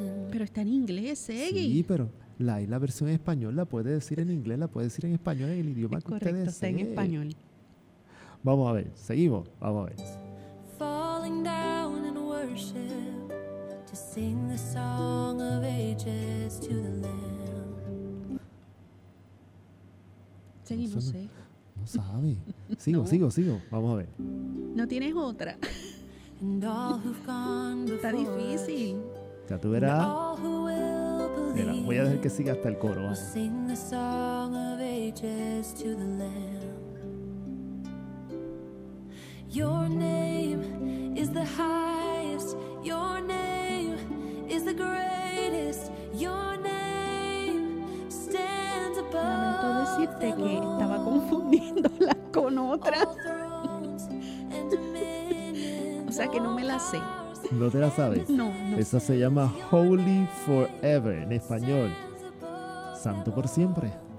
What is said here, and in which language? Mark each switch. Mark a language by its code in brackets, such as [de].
[es] Pero está en inglés, Segui. Sí, pero la versión en español la puede decir en inglés, la puede decir en español, en el idioma es correcto, que ustedes está en español. Vamos a ver, seguimos, vamos a ver. [en] Falling down in worship to sing the song of ages to the Lamb. [es] Seguimos, no sabe. Sigo, vamos a ver. No tienes otra. Está difícil. Ya tú verás. Mira, voy a dejar que siga hasta el coro. Vamos. [en] Sing the song of ages to the Lamb. Your name is the highest, your name is the greatest, your name stands above. [es] Lamento decirte que estaba confundiéndola con otra. O sea que no me la sé. ¿No te la sabes? No. Esa se llama Holy Forever en español. Santo por siempre.